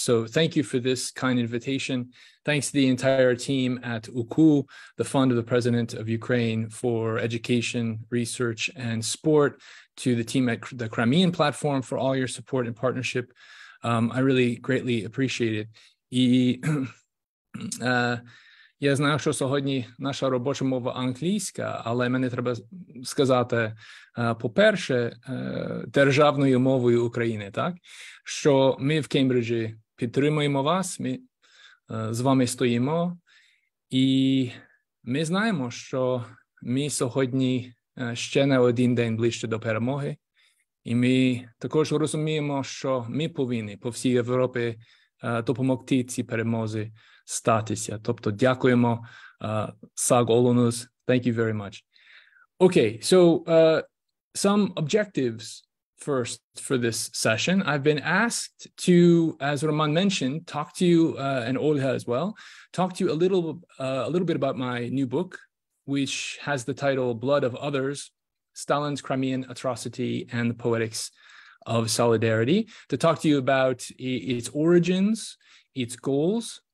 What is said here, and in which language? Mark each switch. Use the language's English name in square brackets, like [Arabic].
[English] So thank you for this kind invitation. Thanks to the entire team at UKU, the Fund of the President of Ukraine for education, research, and sport, to the team at the Crimean platform for all your support and partnership. I really greatly appreciate it. [Ukrainian] Я знаю, що сьогодні наша робоча мова англійська, але мені треба сказати, по-перше, державною мовою України, так? Що ми в Кембриджі підтримуємо вас, ми з вами стоїмо, і ми знаємо, що ми сьогодні ще на один день ближче до перемоги, і ми також розуміємо, що ми повинні по всій Європі допомогти цій перемозі статися. Тобто дякуємо, Саг Олонус. [English] Thank you very much. Okay, so some objectives first for this session. I've been asked to, as Roman mentioned, talk to you and Olha as well, talk to you a little bit about my new book, which has the title Blood of Others, Stalin's Crimean Atrocity and the Poetics of Solidarity, to talk to you about its origins, its goals.